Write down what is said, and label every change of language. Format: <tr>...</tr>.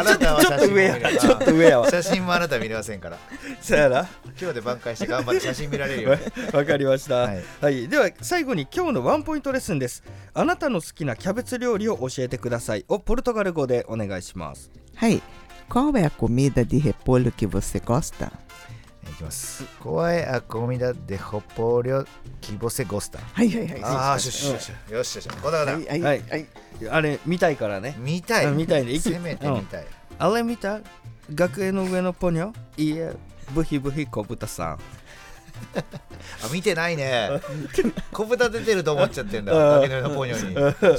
<ja>あなたは写真も見れるわ。写真もあなた見れませんから。さやら今日で挽回して頑張って写真見られるよ。わかりました、はいはい、では最後に今日のワンポイントレッスンです。あなたの好きなキャベツ料理を教えてくださいをポルトガル語でお願いします。はい。</ja> <pt>Qual é a comida de repolho que você gosta?</pt> <ja>いきます。</ja> <pt>Qual é a comida de repolho que você gosta?</pt> <ja>はいはいはい、あーしし、うん、よしよしよし、はいはいはい、あれ見たいからね。見たい、見たい、せめて見たい、うん、あれ見た、学園の上のポニョ、いえブヒブヒ小豚さん。あ、見てないね。小豚出てると思っちゃってんだ、崖の上のポニョに。</ja>